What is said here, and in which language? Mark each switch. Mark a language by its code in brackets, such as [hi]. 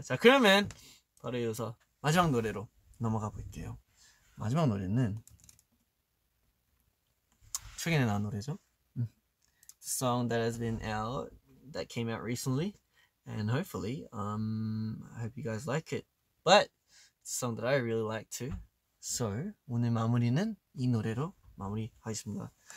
[ko] 자, 그러면 바로 이어서 마지막 노래로 넘어가 볼게요. 마지막 노래는 최근에 나온 노래죠. [en] The song that has been out, that came out recently, and hopefully, I hope you guys like it. But it's a song that I really like too. [ko] So 오늘 마무리는 이 노래로 마무리하겠습니다.